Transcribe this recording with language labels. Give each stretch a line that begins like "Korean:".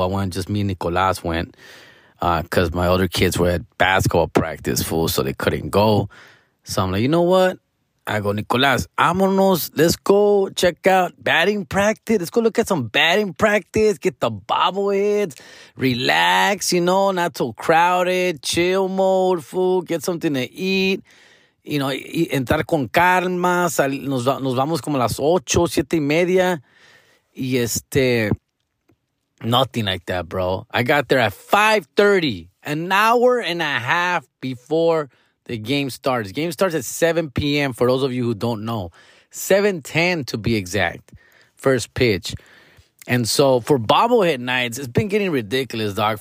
English: I went, just me and Nicolas went, cause my other kids were at basketball practice, fool, so they couldn't go. So I'm like, you know what? I go, Nicolas, vámonos, let's go check out batting practice. Let's go look at some batting practice, get the bobbleheads, relax, you know, not so crowded, chill mode, fool, get something to eat. You know,
Spanish: entrar con calma, nos vamos como a las 8, 7 y media.
English: Y nothing like that, bro. I got there at 5:30, an hour and a half before the game starts. Game starts at 7 p.m. for those of you who don't know. 7:10 to be exact, first pitch. And so for bobblehead nights, it's been getting ridiculous, dog.